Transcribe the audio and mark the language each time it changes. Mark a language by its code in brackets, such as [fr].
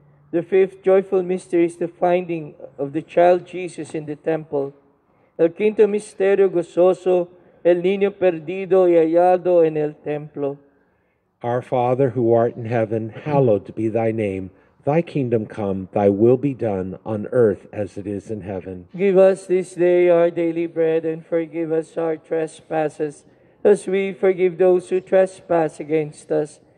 [en] The fifth joyful mystery is the finding of the child Jesus in the temple. [es] El quinto misterio gozoso, el niño perdido y hallado en el templo. [en] Our Father, who art in heaven, hallowed be thy name. Thy kingdom come, thy will be done, on earth as it is in heaven. Give us this day our daily bread, and forgive us our trespasses, as we forgive those who trespass against us.